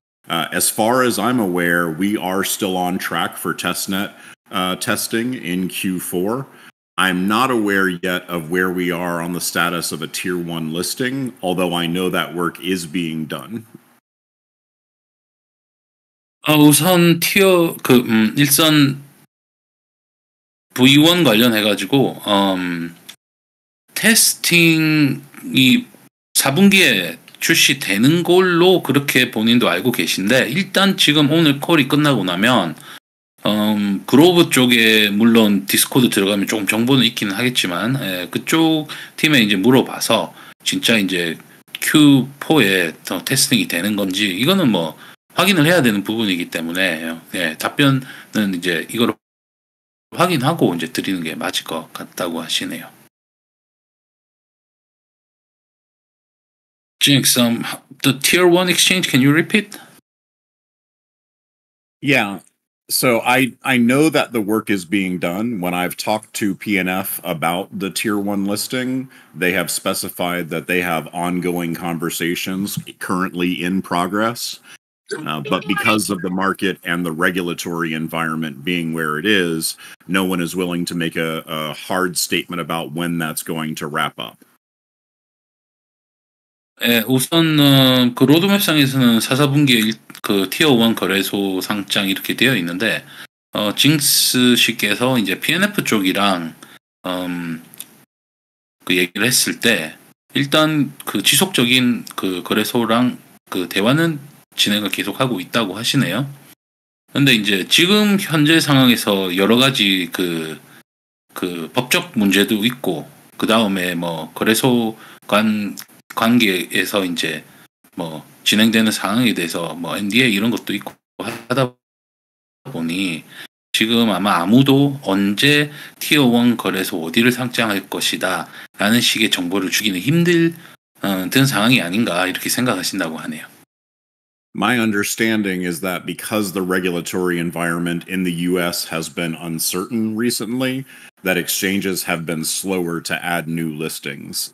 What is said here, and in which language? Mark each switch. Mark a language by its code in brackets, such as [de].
[en] As far as I'm aware, we are still on track for testnet testing in Q4. I'm not aware yet of where we are on the status of a tier one listing, although I know that work is being done. [ko] 우선 tier 일선 V1 관련해가지고 testing이 4분기에 출시되는 걸로 그렇게 본인도 알고 계신데 일단 지금 오늘 콜이 끝나고 나면 그로브 쪽에 물론 디스코드 들어가면 조금 정보는 있기는 하겠지만 그쪽 팀에 이제 물어봐서 진짜 이제 Q4에 더 테스팅이 되는 건지 이거는 뭐 확인을 해야 되는 부분이기 때문에 답변은 이제 이걸 확인하고 이제 드리는 게 맞을 것 같다고 하시네요. [en] Jinx, the tier one exchange, can you repeat? Yeah. So I know that the work is being done. When I've talked to PNF about the tier one listing, they have specified that they have ongoing conversations currently in progress. But because of the market and the regulatory environment being where it is, no one is willing to make a hard statement about when that's going to wrap up. [ko] 예, 우선 그 로드맵상에서는 4, 4분기에 그 티어 1 거래소 상장 이렇게 되어 있는데 징스 씨께서 이제 PNF 쪽이랑 그 얘기를 했을 때 일단 그 지속적인 그 거래소랑 그 대화는 진행을 계속하고 있다고 하시네요. 근데 이제 지금 현재 상황에서 여러 가지 그 법적 문제도 있고, 그 다음에 뭐, 거래소 관계에서 이제 뭐, 진행되는 상황에 대해서 뭐, NDA 이런 것도 있고 하다 보니, 지금 아마 아무도 언제 티어1 거래소 어디를 상장할 것이다 라는 식의 정보를 주기는 힘든 상황이 아닌가 이렇게 생각하신다고 하네요. [en] My understanding is that because the regulatory environment in the U.S. has been uncertain recently, that exchanges have been slower to add new listings.